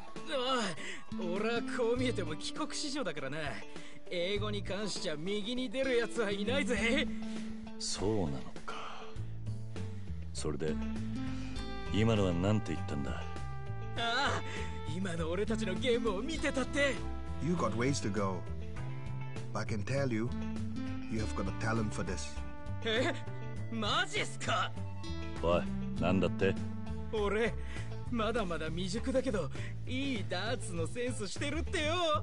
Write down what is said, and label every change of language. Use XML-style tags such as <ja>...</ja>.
<ja>ああ、俺はこう見えても帰国子女だからな、英語に関しちゃ右に出るやつはいないぜ。そうなのか。それで今のは何て言ったんだ。ああ、今の俺たちのゲームを見てたって。</ja> <en>You got ways to go, but I can tell you, you have got a talent for this.</en> <ja>え、マジっすか。おい、なんだって。俺まだまだ未熟だけど、いいダーツのセンスしてるってよ。</ja>